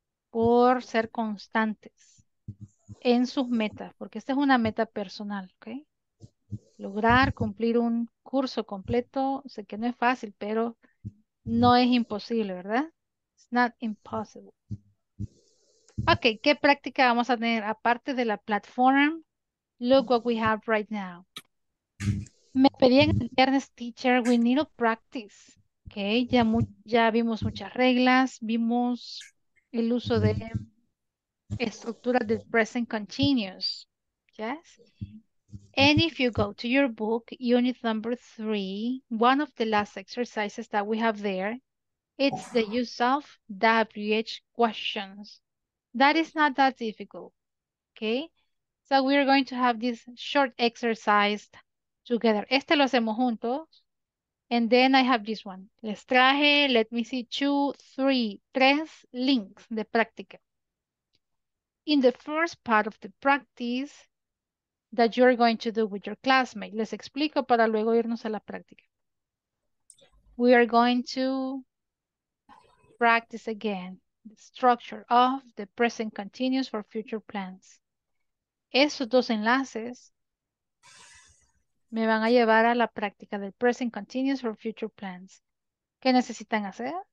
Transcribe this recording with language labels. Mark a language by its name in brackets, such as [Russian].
[Spanish] Por ser constantes en sus metas, porque esta es una meta personal, ¿ok? Lograr cumplir un curso completo, sé que no es fácil, pero no es imposible, ¿verdad? [English] It's not impossible. [Spanish] Ok, ¿qué práctica vamos a tener? Aparte de la [English] platform, look what we have right now. [Spanish] Me pedían el viernes, [English] teacher, we need to practice. [Spanish] Ok, ya vimos muchas reglas, vimos el uso de estructuras de present continuous. [English] Yes? And if you go to your book, unit number 3, one of the last exercises that we have there, it's the use of WH questions. That is not that difficult, okay? So we are going to have this short exercise together. [Spanish] Este lo hacemos juntos. [English] And then I have this one. [Spanish] Les traje, [English] let me see, [Spanish] tres links de práctica. [English] In the first part of the practice, that you're going to do with your classmate. [Spanish] Les explico para luego irnos a la práctica. [English] We are going to practice again the structure of the present continuous for future plans. [Spanish] Esos dos enlaces me van a llevar a la práctica del present continuous for future plans. ¿Qué necesitan hacer?